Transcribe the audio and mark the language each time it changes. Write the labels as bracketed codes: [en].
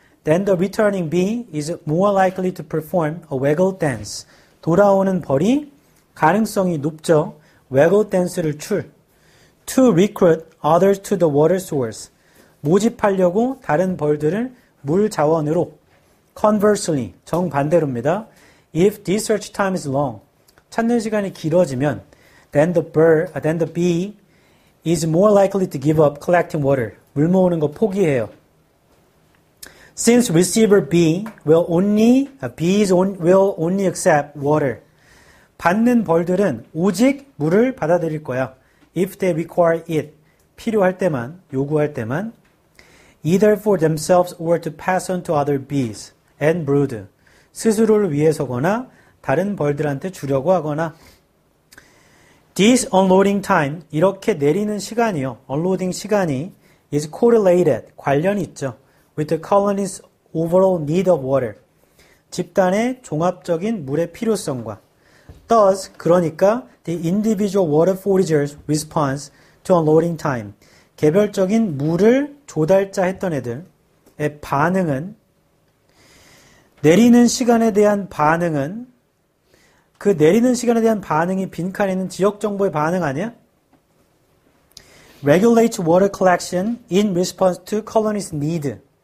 [en] Then the returning bee is more likely to perform a waggle dance. [ko] 돌아오는 벌이 가능성이 높죠. [en] Waggle dance [ko] 를 출. [en] To recruit others to the water source. [ko] 모집하려고 다른 벌들을 물 자원으로. Conversely, 정반대로입니다. [en] If this search time is long, [ko] 찾는 시간이 길어지면, [en] then the bee is more likely to give up collecting water. [ko] 물 모으는 거 포기해요. [en] Since receiver bee will only accept water. [ko] 받는 벌들은 오직 물을 받아들일 거야. [en] If they require it, [ko] 필요할 때만, 요구할 때만, [en] either for themselves or to pass on to other bees and brood. [ko] 스스로를 위해서거나 다른 벌들한테 주려고 하거나. [en] This unloading time, [ko] 이렇게 내리는 시간이요. Unloading 시간이 [en] is correlated, [ko] 관련이 있죠. [en] With the colony's overall need of water. [ko] 집단의 종합적인 물의 필요성과. [en] Thus, 그러니까 the individual water forager's response to unloading time. [ko] 개별적인 물을 조달자 했던 애들의 반응은 내리는 시간에 대한 반응은 그 내리는 시간에 대한 반응이 빈칸에 있는 지역 정보의 반응 아니야? [en] Regulates water collection in response to colony's need.